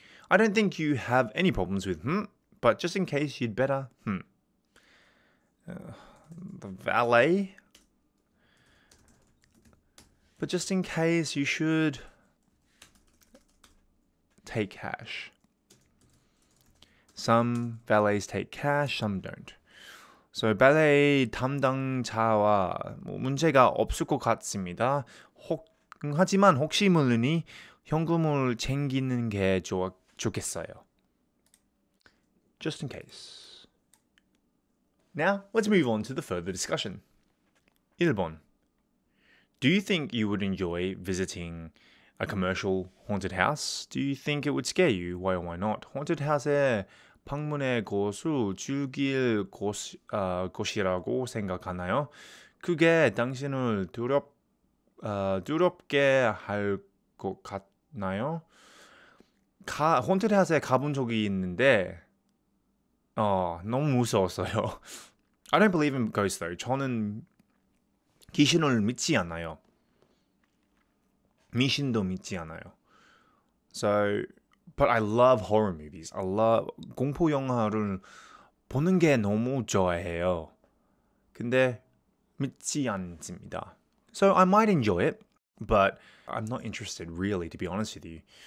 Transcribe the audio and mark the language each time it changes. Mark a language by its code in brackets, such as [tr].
[en] I don't think you have any problems with but just in case you'd better The valet. But just in case, you should take cash. Some valets take cash, some don't. [ko] So, 발레이 담당자와 뭐 문제가 없을 것 같습니다. 하지만 혹시 모르니 현금을 챙기는 게 좋겠어요. [en] Just in case. Now, let's move on to the further discussion. [ko] 1번. [en] Do you think you would enjoy visiting a commercial haunted house? Do you think it would scare you? Why or why not? [ko] Haunted house에 방문해 곳을 즐길 곳이라고 생각하나요? 그게 당신을 두렵게 할 것 같나요? Haunted house에 가본 적이 있는데 너무 무서웠어요. [en] I don't believe in ghosts though. [ko] 저는 귀신을 믿지 않아요. 미신도 믿지 않아요. [en] So, but I love horror movies. I love [ko] 공포 영화를 보는 게 너무 좋아해요. 근데 믿지 않습니다. [en] So I might enjoy it, but I'm not interested really, to be honest with you.